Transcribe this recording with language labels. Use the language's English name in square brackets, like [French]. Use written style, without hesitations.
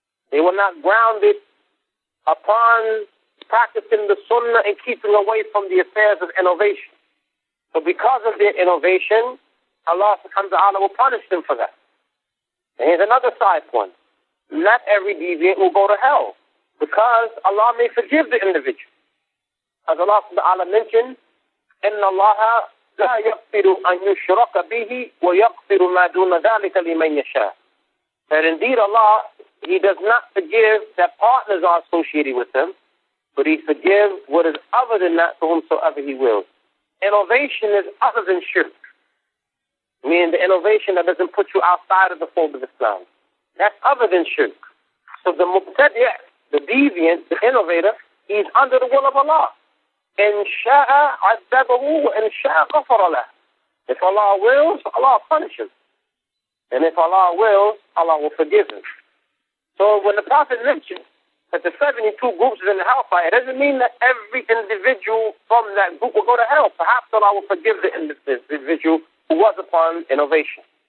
[English] They were not grounded upon practicing the Sunnah and keeping away from the affairs of innovation. So because of their innovation, Allah subhanahu wa ta'ala will punish them for that. And here's another side point. Not every deviant will go to hell, because Allah may forgive the individual. As Allah subhanahu wa ta'ala mentioned, [Arabic] إِنَّ اللَّهَ لا يغفر أن يشرك به ويغفر ما دون ذلك لمن يشاء. [English] That indeed Allah, He does not forgive that partners are associated with them, but He forgives what is other than that to whomsoever He wills. Innovation is other than shirk, meaning the innovation that doesn't put you outside of the fold of Islam. That's other than shirk. So the mubtadi', the deviant, the innovator, he's under the will of Allah. [Arabic] إن شاء عذبه وإن شاء غفر له. [English] If Allah wills, Allah punishes. And if Allah wills, Allah will forgive him. So when the Prophet mentioned that the 72 groups are in the hellfire, it doesn't mean that every individual from that group will go to hell. Perhaps Allah will forgive the individual who was upon innovation.